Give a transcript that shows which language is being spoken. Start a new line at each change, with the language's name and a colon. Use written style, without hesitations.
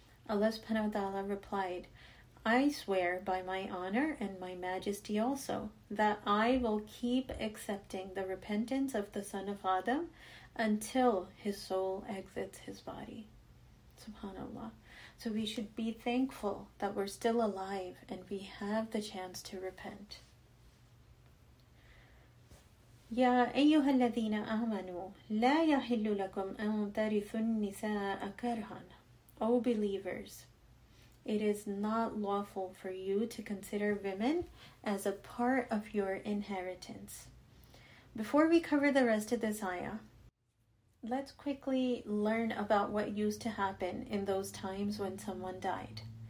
English: Allah subhanahu wa ta'ala replied, I swear by my honor and my majesty also that I will keep accepting the repentance of the son of Adam until his soul exits his body. Subhanallah. So we should be thankful that we're still alive and we have the chance to repent.
Arabic: يا أيها الذين آمنوا لا يحل لكم أن ترثوا النساء كرها.
English: O believers, it is not lawful for you to consider women as a part of your inheritance. Before we cover the rest of this ayah, let's quickly learn about what used to happen in those times when someone died.